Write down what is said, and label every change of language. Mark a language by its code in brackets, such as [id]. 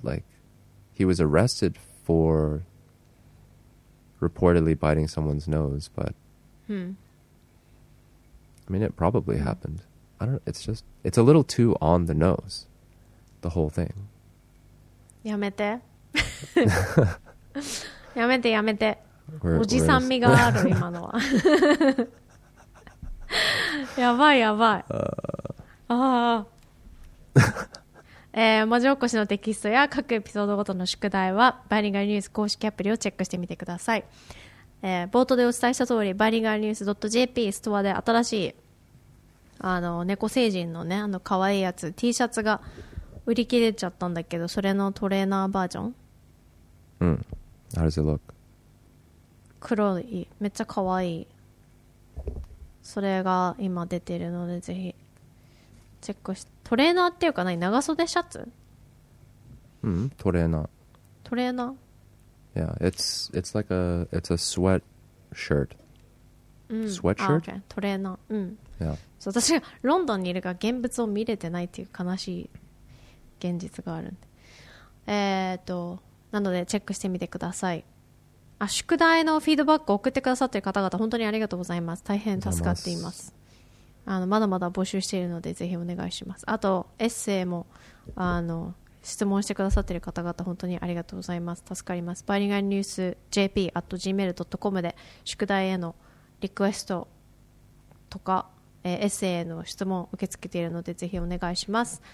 [en] Like, he was arrested for reportedly biting someone's nose, but. I mean, it probably happened. I don't know. It's a little too on the nose, the whole thing. [ja] やめて。やめてやめて。おじさん味がある今のは。やばいやばい。ああ。文字起こしのテキストや各エピソードごとの宿題はバイリンガルニュース公式アプリをチェックしてみてください。冒頭でお伝えした通りバイリンガルニュース .jp ストアで新しいあの猫星人のねあの可愛いやつ T シャツが売り切れちゃったんだけど、それのトレーナーバージョン。 [en] うん、How does it look? [ja] 黒い、めっちゃ可愛い。それが今出てるのでぜひチェックして、トレーナーっていうか何、長袖シャツ？うん、トレーナー。トレーナー。 [en] Yeah, it's like a it's a sweat shirt. Sweatshirt. [ja] Okay. トレーナー。うん。 [en] Yeah. [ja] そう、私がロンドンにいるから現物を見れてないっていう悲しい現実があるんで。なのでチェックしてみてください。あ、宿題のフィードバックを送ってくださっている方々本当にありがとうございます。大変助かっています。あのまだまだ募集しているのでぜひお願いします。あとエッセイもあの質問してくださっている方々本当にありがとうございます。助かります。バイリンガルニュース jp@gmail.com で宿題へのリクエストとか、エッセイへの質問を受け付けているのでぜひお願いします。